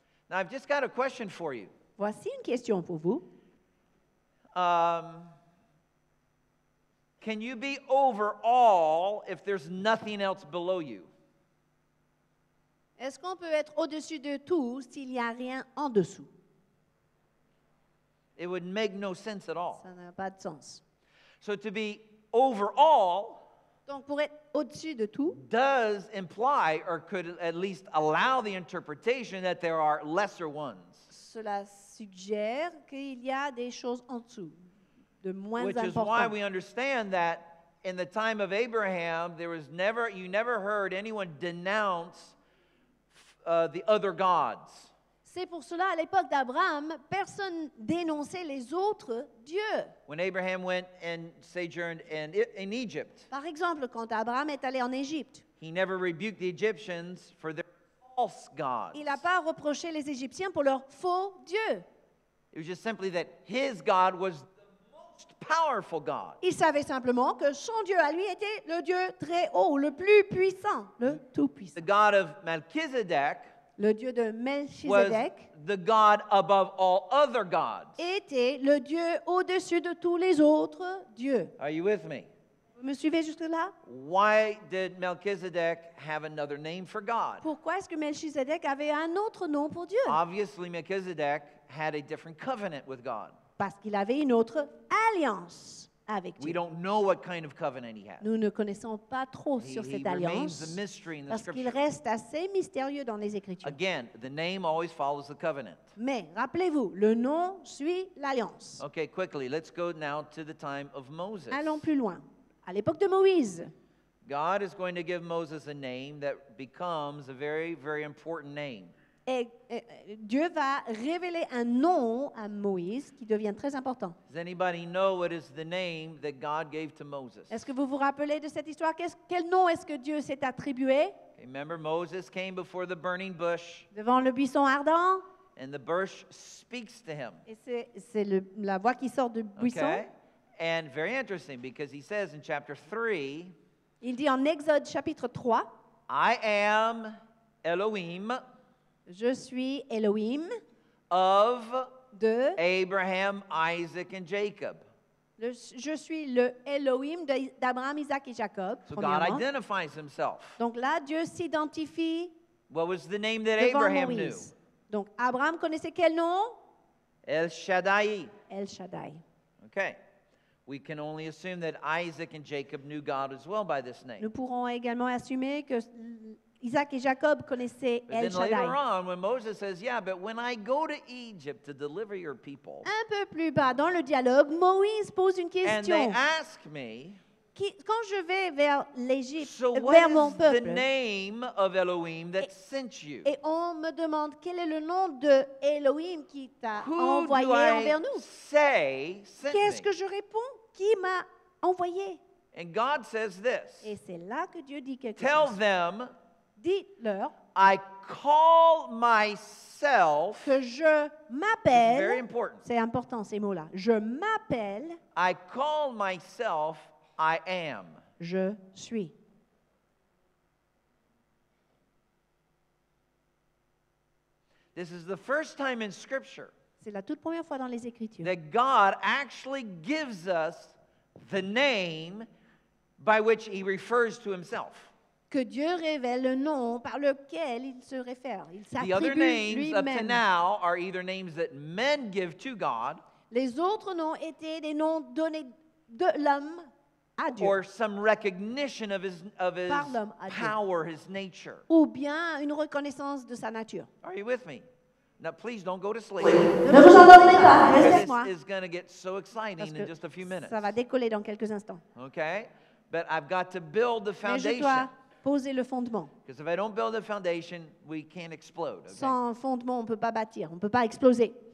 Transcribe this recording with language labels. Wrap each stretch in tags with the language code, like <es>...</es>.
<en>Now I've just got a question for you.</en> <fr>Voici une question pour vous.</fr> <en>Can you be over all if there's nothing else below you?</en> <fr>Est-ce qu'on peut être au-dessus de tout s'il n'y a rien en dessous?</fr> <en>It would make no sense at all.</en> <fr>Ça n'a pas de sens.</fr> <en>So to be over all,</en> <fr>donc pour être au-dessus de tout,</fr> <en>does imply or could at least allow the interpretation that there are lesser ones.</en> <fr>Cela suggère qu'il y a des choses en dessous, de moins importantes.</fr> <en>Which is why we understand that in the time of Abraham, there was never, you never heard anyone denounce the other gods.</en> <fr>C'est pour cela, à l'époque d'Abraham, personne dénonçait les autres dieux.</fr> <en>When Abraham went and sojourned in Egypt,</en> <fr>par exemple, quand Abraham est allé en Égypte,</fr> <en>he never rebuked the Egyptians for their false gods.</en> <fr>Il n'a pas reproché les Égyptiens pour leurs faux dieux.</fr> <en>It was just simply that his God was the most powerful God.</en> <fr>Il savait simplement que son Dieu à lui était le Dieu très haut, le plus puissant, le tout-puissant.</fr> <en>The God of Melchizedek,</en> <fr>le Dieu de Melchizedek,</fr> <en>was the God above all other gods.</en> <fr>Était le Dieu au-dessus de tous les autres dieux.</fr> <en>Are you with me?</en> <fr>Vous me suivez jusque là?</fr> <en>Why did Melchizedek have another name for God?</en> <fr>Pourquoi est-ce que Melchizedek avait un autre nom pour Dieu?</fr> <en>Obviously, Melchizedek had a different covenant with God.</en> <fr>Parce qu'il avait une autre alliance.</fr> <en>We don't know what kind of covenant he had.</en> <fr>Nous ne connaissons pas trop sur cette alliance.</fr> <en>He remains a mystery in the</en> <fr>scripture. Parce qu'il reste assez mystérieux dans les écritures.</fr> <en>Again, the name always follows the covenant.</en> <fr>Mais rappelez-vous, le nom suit l'alliance.</fr> <en>Okay, quickly, let's go now to the time of Moses.</en> <fr>Allons plus loin, à l'époque de Moïse.</fr> <en>God is going to give Moses a name that becomes a very, very important name.</en> <fr>Et Dieu va révéler un nom à Moïse qui devient très important.</fr> <en>Does anybody know what is the name that God gave to Moses?</en> <fr>Est-ce que vous vous rappelez de cette histoire? Quel nom est-ce que Dieu s'est attribué?</fr> <en>Remember, Moses came before the burning bush.</en> <fr>Devant le buisson ardent.</fr> <en>And the bush speaks to him.</en> <fr>Et c'est la voix qui sort du buisson.</fr> <en>Okay. And very interesting because he says in chapter 3.</en> <fr>Il dit en Exode chapitre 3.</fr> <en>I am Elohim.</en> <fr>Je suis Elohim</fr> <en>of</en> <fr>de</fr> <en>Abraham, Isaac, and Jacob.</en> <fr>Je suis le Elohim d'Abraham, Isaac et Jacob.</fr> <en>So God identifies himself.</en> <fr>Donc là, Dieu s'identifie.</fr> <en>What was the name that Abraham</en> <fr>Moïse.</fr> <en>Knew?</en> <fr>Donc Abraham connaissait quel nom? El Shaddai. El Shaddai.</fr> <en>Okay. We can only assume that Isaac and Jacob knew God as well by this name.</en> <fr>Nous pourrons également assumer que Isaac et Jacob connaissaient El Shaddai.</fr> <en>Then later on, when Moses says, "Yeah, but when I go to Egypt to deliver your people,"</en> <fr>un peu plus bas dans le dialogue, Moïse pose une question.</fr> <en>And they ask me,</en> <fr>quand je vais vers l'Égypte,</fr> <en>so</en> <fr>vers mon peuple,</fr> <en>so what is the name of Elohim that sent you?</en> <fr>Et on me demande quel est le nom de Elohim qui t'a envoyé envers nous.</fr> <en>Who do I say sent me?</en> <fr>Qu'est-ce que je réponds? Qui m'a envoyé?</fr> <en>And God says this.</en> <fr>Et c'est là que Dieu dit quelque chose.</fr> <en>Tell them.</en> <fr>Dites-leur,</fr> <en>I call myself,</en> <fr>que je m'appelle,</fr> <en>very important.</en> <fr>C'est important ces mots-là, je m'appelle,</fr> <en>I call myself, I am.</en> <fr>Je suis.</fr> <en>This is the first time in Scripture,</en> <fr>c'est la toute première fois dans les Écritures,</fr> <en>that God actually gives us the name by which he refers to himself.</en> <fr>Que Dieu révèle le nom par lequel il se réfère. Il s'attribue</fr> <en>lui-même. The other names up to now are either names that men give to God.</en> <fr>Les autres noms étaient des noms donnés de l'homme à Dieu.</fr> <en>Or some recognition of his</en> <fr>par l'homme à</fr> <en>power,</en> <fr>Dieu.</fr> <en>His nature.</en> <fr>Ou bien une reconnaissance de sa nature.</fr> <en>Are you with me? Now please don't go to sleep.</en> <fr>Ne vous endormez pas. Restez-moi.</fr> <en>This is going to get so exciting in just a few minutes.</en> <fr>Ça va décoller dans quelques instants.</fr> <en>Okay, but I've got to build the foundation.</en> <fr>Poser le fondement.</fr> <en>Because if I don't build a foundation, we can't explode. Okay?</en> <fr>Sans fondement, on peut pas bâtir, on peut pas exploser.</fr>